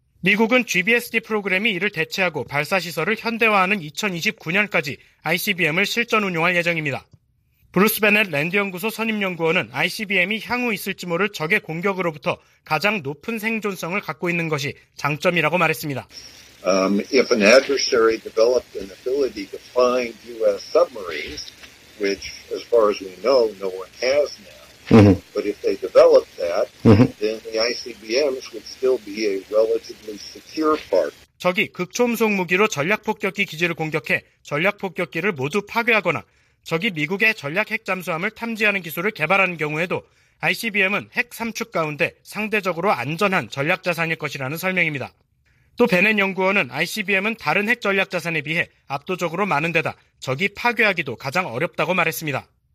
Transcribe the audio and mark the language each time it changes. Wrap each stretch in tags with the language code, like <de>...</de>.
<ko>미국은 GBSD 프로그램이 이를 대체하고 발사 시설을 현대화하는 2029년까지 ICBM을 실전 운용할 예정입니다. 브루스 베넷 랜드연구소 선임연구원은 ICBM이 향후 있을지 모를 적의 공격으로부터 가장 높은 생존성을 갖고 있는 것이 장점이라고 말했습니다.</ko> <en>If an adversary developed an ability to find U.S. submarines, which, as far as we know, no one has now, but if they developed that, then the ICBMs would still be a relatively secure part.</en> <ko>적이 극초음속 무기로 전략폭격기 기지를 공격해 전략폭격기를 모두 파괴하거나 적이 미국의 전략 핵 잠수함을 탐지하는 기술을 개발하는 경우에도 ICBM은 핵 3축 가운데 상대적으로 안전한 전략 자산일 것이라는 설명입니다. 또 베넨 연구원은 ICBM은 다른 핵 전략 자산에 비해 압도적으로 많은 데다 적이 파괴하기도 가장 어렵다고 말했습니다.</ko>